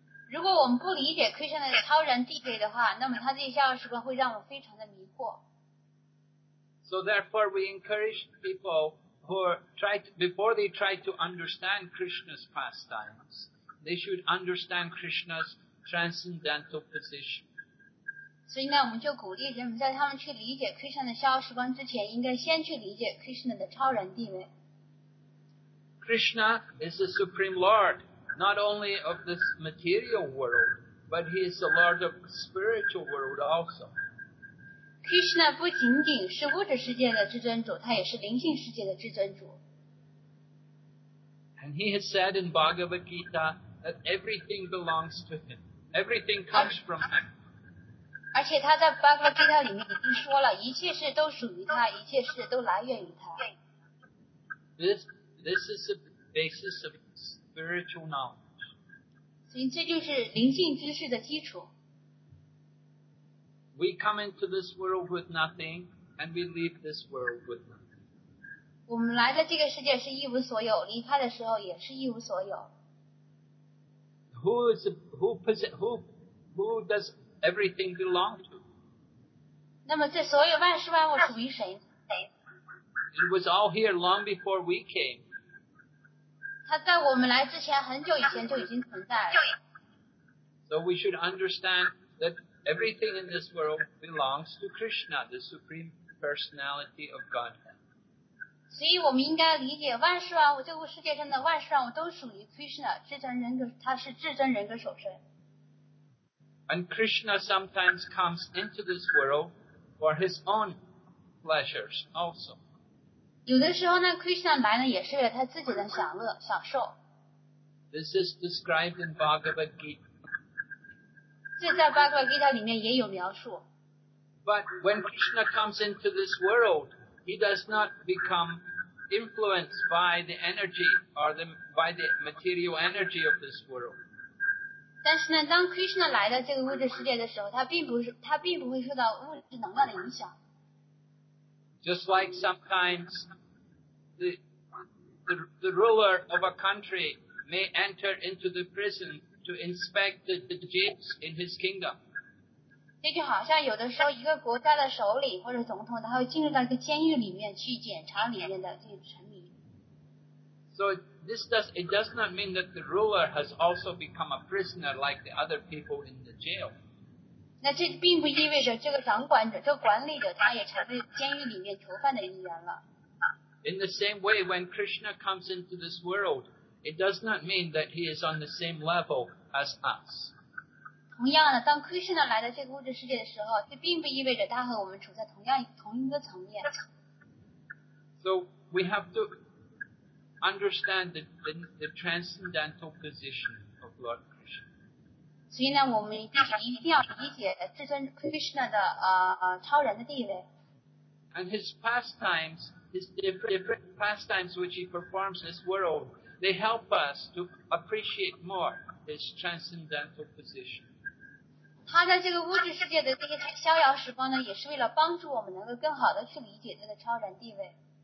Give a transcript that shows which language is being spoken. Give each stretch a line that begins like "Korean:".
Chinese: 如果我们不理解 Krishna 的超然地位的话，那么他这些逍遥时光会让我非常的迷惑。
English: So therefore, we encourage people who try before they try to understand Krishna's pastimes, they should understand Krishna's transcendental position.
Chinese: 所以呢，我们就鼓励人们在他们去理解 Krishna 的逍遥时光之前，应该先去理解 Krishna 的超然地位。
English: Krishna is the supreme Lord. Not only of this material world, but he is the Lord of the spiritual world also.
Chinese: Krishna 不仅仅是物质世界的至尊主，他也是灵性世界的至尊主。
English: And he has said in Bhagavad Gita that everything belongs to him. Everything comes from him.
Chinese: 而且他在 Bhagavad Gita 里面已经说了，一切事都属于他，一切事都来源于他。
English: This is the basis of. Spiritual knowledge.
Chinese: 所以这就是灵性知识的基础。
English: We come into this world with nothing, and we leave this world with nothing.
Chinese: 我们来的这个世界是一无所有，离开的时候也是一无所有。
English: Who does everything belong to?
Chinese: 那么这所有万事万物属于谁？
English: It was all here long before we came.
Chinese: 它在我们来之前很久以前就已经存在了。
English: So we should understand that everything in this world belongs to Krishna, the Supreme Personality of Godhead.
Chinese: 所以我们应该理解万事万物，这个世界上的万事万物都属于 Krishna, 至尊人格，他是至尊人格首身。
English: And Krishna sometimes comes into this world for his own pleasures also.
Chinese: 有的时候呢 ，Krishna 来呢也是为了他自己的享乐享受。
English: This is described in Bhagavad Gita.
Chinese: 这在 Bhagavad Gita 里面也有描述。
English: But when Krishna comes into this world, he does not become influenced by the energy or by the material energy of this world.
Chinese: 但是呢，当 Krishna 来到这个物质世界的时候，他并不会受到物质能量的影响。
English: Just like sometimes the ruler of a country may enter into the prison to inspect the jails in his kingdom.
Chinese: 这就好像有的时候一个国家的首领或者总统，他会进入到一个监狱里面去检查里面的这些臣民。
English: So it does not mean that the ruler has also become a prisoner like the other people in the jail.
Chinese: 那这并不意味着这个掌管者、这个管理者，他也成为监狱里面囚犯的一员了。
English: In the same way, when Krishna comes into this world, it does not mean that he is on the same level as us.
Chinese: 同样的，当 Krishna 来到这个物质世界的时候，这并不意味着他和我们处在同一个层面。
English: So we have to understand the transcendental position of Lord.
Chinese: 所以呢，我们一定要理解至尊 Krishna 的超人的地位。
English: And his pastimes, his different pastimes which he performs in this world, they help us to appreciate more his transcendental position.
Chinese: 他在这个物质世界的这些逍遥时光呢，也是为了帮助我们能够更好的去理解他的超人地位。